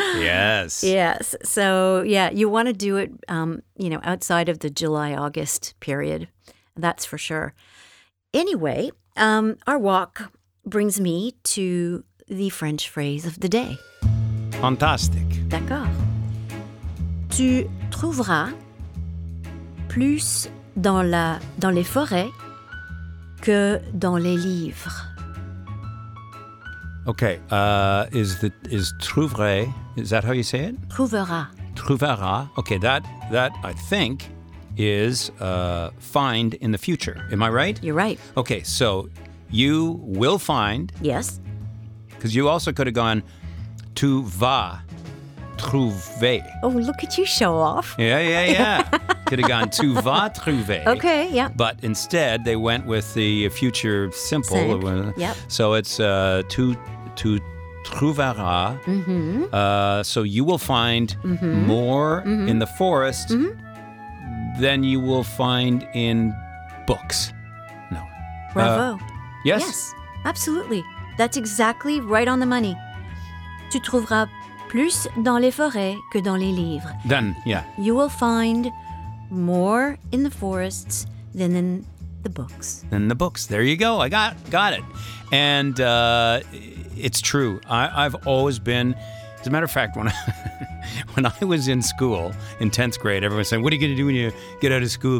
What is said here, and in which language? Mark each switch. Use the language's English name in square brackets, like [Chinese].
[English] Yes. Yes. So, yeah, you want to do it, outside of the July-August period. That's for sure. Anyway, our walk brings me to the French phrase of the day. Fantastic. [French] D'accord. Tu trouveras plus dans les forêts que dans les livres. [English] Okay. Is trouverai, is that how you say it? [French] Trouvera. [English] Okay. That I think is find in the future. Am I right? You're right. Okay. So you will find. Yes. Because you also could have gone. [French] Tu vas trouver. [English] Oh, look at you show off. Yeah. Could have gone, [French] tu vas trouver. [English] Okay, yeah. But instead, they went with the future simple. So it's [French] tu trouveras. [English] Mm-hmm. So you will find more in the forest than you will find in books. No. Bravo. Yes, absolutely. That's exactly right on the money. [French] Tu trouveras plus dans les forêts que dans les livres. [English] Done, yeah. You will find more in the forests than in the books. Than the books. There you go. I got it. And it's true. I've always been, as a matter of fact, when I was in school in 10th grade, everyone said, what are you going to do when you get out of school?